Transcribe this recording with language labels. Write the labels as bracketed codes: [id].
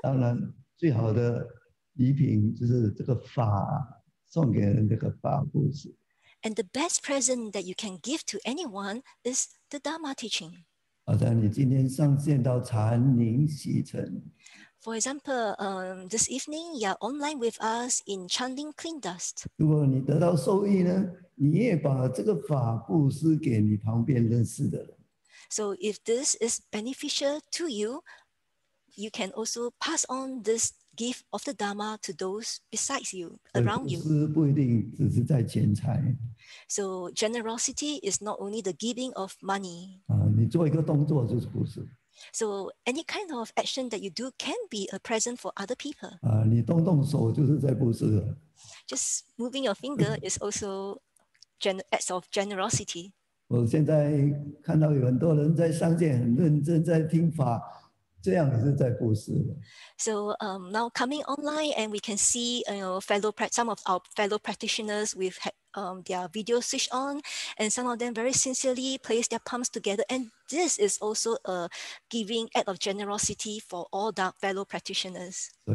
[zh] 当然，最好的礼品就是这个法，送给人这个法布施。 [en] And the best present that you can give to anyone is the Dharma teaching. [zh] 好像你今天上线到禅宁洗尘。 [en] For example, this evening you are online with us in chanting clean dust. [zh] 如果你得到受益呢，你也把这个法布施给你旁边认识的人。 [en] So if this is beneficial to you, you can also pass on this gift of the Dharma to those besides you, around you. [zh] 不一定只是在钱财。 [en] So generosity is not only the giving of money. [zh] 你做一个动作就是布施。 [en] So any kind of action that you do can be a present for other people. [zh] 你动动手就是在布施。 [en] Just moving your finger is also acts of generosity. [zh] 我现在看到有很多人在上线很认真在听法。 [en] So now coming online, and we can see some of our fellow practitioners with their video switch on, and some of them very sincerely place their palms together. And this is also a giving act of generosity for all the fellow practitioners.